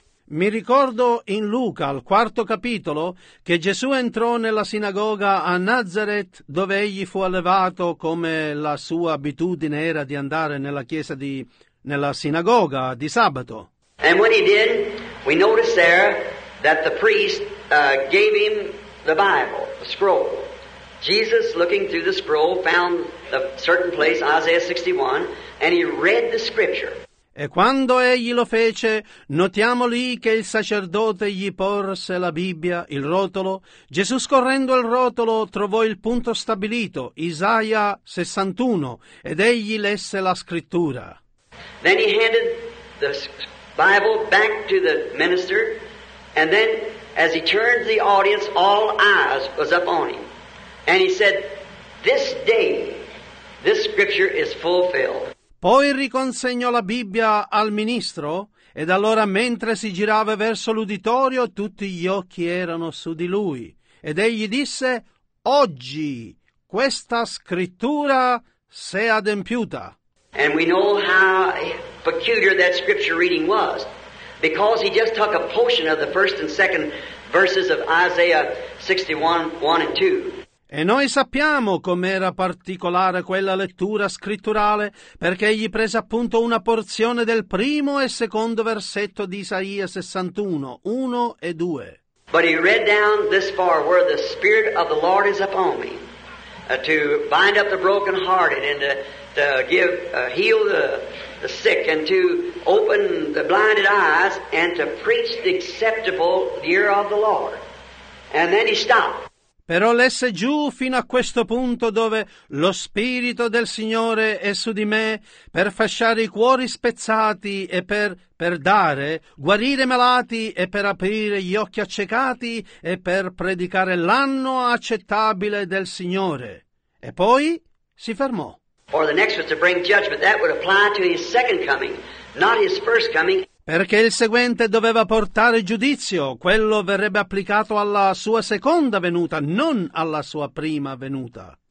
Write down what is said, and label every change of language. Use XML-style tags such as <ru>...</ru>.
<it>Mi ricordo in Luca, al 4° capitolo, che Gesù entrò nella sinagoga a Nazareth, dove egli fu allevato, come la sua abitudine era di andare nella chiesa di, nella sinagoga di sabato.</it> <en>And when he did, we noticed there that the priest gave him the Bible, the scroll. Jesus, looking through the scroll, found a certain place, Isaiah 61, and he read the scripture.</en> <it>E quando egli lo fece, notiamo lì che il sacerdote gli porse la Bibbia, il rotolo. Gesù, scorrendo il rotolo, trovò il punto stabilito, Isaia 61, ed egli lesse la scrittura.</it> <en>Then he handed the Bible back to the minister, and then as he turned the audience, all eyes was up on him. And he said, this day, this scripture is fulfilled.</en> <it>Poi riconsegnò la Bibbia al ministro, ed allora mentre si girava verso l'uditorio, tutti gli occhi erano su di lui, ed egli disse, oggi questa scrittura si è adempiuta.</it> <en>And we know how peculiar that scripture reading was, because he just took a portion of the first and second verses of Isaiah 61, 1 and 2.</en> <it>E noi sappiamo com'era particolare quella lettura scritturale, perché egli prese appunto una porzione del primo e secondo versetto di Isaia 61, 1 e 2.</it> <en>But he read down this far, where the Spirit of the Lord is upon me, to bind up the brokenhearted and to give heal the sick and to open the blinded eyes and to preach the acceptable year of the Lord. And then he stopped.</en> <it>Però lesse giù fino a questo punto dove lo Spirito del Signore è su di me per fasciare i cuori spezzati e per dare, guarire malati e per aprire gli occhi accecati e per predicare l'anno accettabile del Signore. E poi si fermò.</it> <en>Or the next was to bring judgment. That would apply to his second coming, not his first coming.</en> <it>Perché il seguente doveva portare giudizio, quello verrebbe applicato alla sua seconda venuta, non alla sua prima venuta.</it>